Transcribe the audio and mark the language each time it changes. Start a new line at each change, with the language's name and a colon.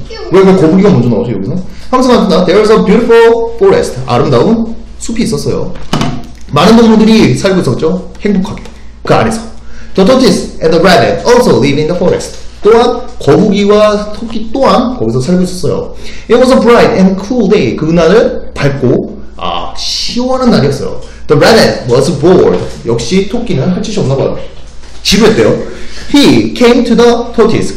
Korean: 왜 그 거북이가 먼저 나오죠, 여기서? 항상한다.
English: There's a beautiful forest.
Korean: 아름다운 숲이 있었어요. 많은 동물들이 살고 있었죠. 행복하게. 그 안에서.
English: The tortoise and the rabbit also live in the forest.
Korean: 또한 거북이와 토끼 또한 거기서 살고 있었어요.
English: It was a bright and cool day.
Korean: 그날은 밝고 아, 시원한 날이었어요.
English: The rabbit was bored.
Korean: 역시 토끼는 할 짓이 없나 봐요. 지루했대요.
English: He came to the tortoise.